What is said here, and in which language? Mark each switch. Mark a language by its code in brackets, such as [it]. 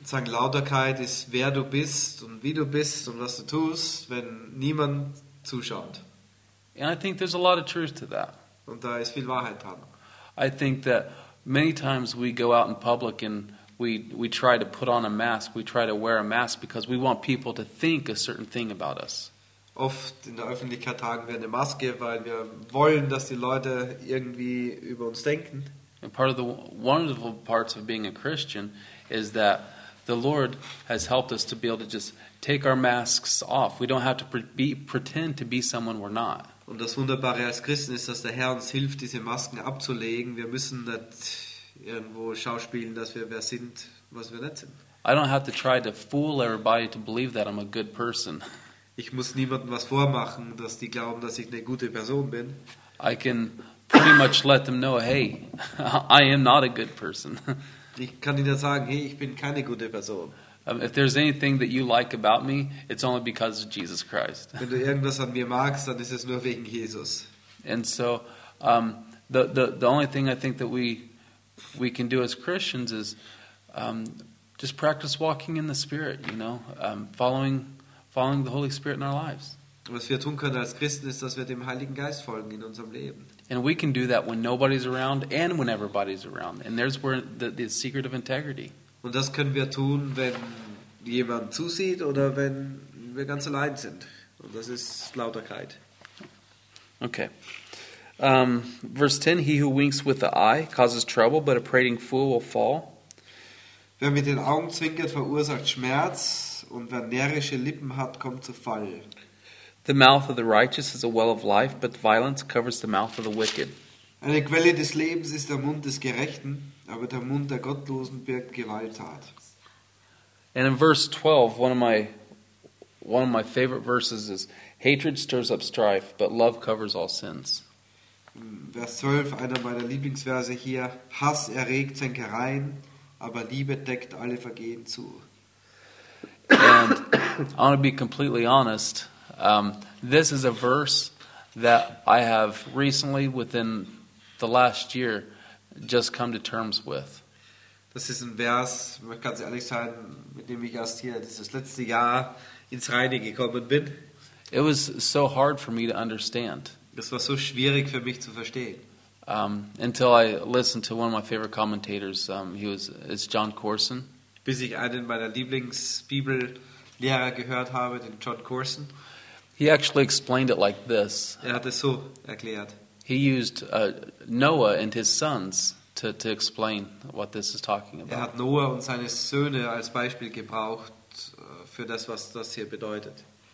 [de] Sagen Lauterkeit ist wer du bist und wie du bist und was du tust, wenn niemand zuschaut. [en] And I think there's a lot of truth to that. [de] Und da ist viel Wahrheit dran. [en] I think that many times we go out in public and we try to put on a mask, we try to wear a mask because we want people to think a certain thing about us. [de] Oft in der Öffentlichkeit tragen wir eine Maske, weil wir wollen, dass die Leute irgendwie über uns denken. [en] And part of the wonderful parts of being a Christian is that the Lord has helped us to be able to just take our masks off. We don't have to pretend to be someone we're not. [de] Und das Wunderbare als Christen ist, dass der Herr uns hilft, diese Masken abzulegen. Wir müssen nicht irgendwo schauspielen, dass wir wer sind, was wir nicht sind. [en] I don't have to try to fool everybody to believe that I'm a good person. [de] Ich muss niemandem was vormachen, dass die glauben, dass ich eine gute Person bin. [en] I can pretty much let them know, hey, I am not a good person. [de] Ich kann ihnen sagen, hey, ich bin keine gute Person. [en] If there's anything that you like about me, it's only because of Jesus Christ. [de] Wenn du irgendwas an mir magst, dann ist es nur wegen Jesus. [en] And so, the only thing I think that we can do as Christians is just practice walking in the Spirit, you know, following the Holy Spirit in our lives. [de] Was wir tun können als Christen ist, dass wir dem Heiligen Geist folgen in unserem Leben. [en] And we can do that when nobody's around and when everybody's around. And there's where the secret of integrity. [de] Und das können wir tun, wenn jemand zusieht oder wenn wir ganz allein sind. Und das ist Lauterkeit. [en] Okay. Verse 10, he who winks with the eye causes trouble, but a prating fool will fall. [de] Wer mit den Augen zwinkert, verursacht Schmerz, und wer närrische Lippen hat, kommt zu Fall. [en] The mouth of the righteous is a well of life, but violence covers the mouth of the wicked. [de] Eine Quelle des Lebens ist der Mund des Gerechten, aber der Mund der Gottlosen birgt Gewalttat. [en] And in verse 12, one of my favorite verses is, hatred stirs up strife, but love covers all sins. [de] Vers 12, einer meiner Lieblingsverse hier, Hass erregt Zänkereien, aber Liebe deckt alle Vergehen zu. [en] And I want to be completely honest. This is a verse that I have recently, within the last year, just come to terms with. [de] Das ist ein Vers, ich kann es ehrlich sein, mit dem ich erst hier dieses letzte Jahr ins Reine gekommen bin. [en] It was so hard for me to understand. [de] Das war so schwierig für mich zu verstehen. [en] Until I listened to one of my favorite commentators, it's John Corson. [de] Bis ich einen meiner Lieblingsbibellehrer gehört habe, den John Corson. [en] He actually explained it like this. [de] Er hat es so erklärt. [en] He used Noah and his sons to explain what this is talking about. [de] Er hat Noah und seine Söhne als Beispiel gebraucht für das, was das hier bedeutet.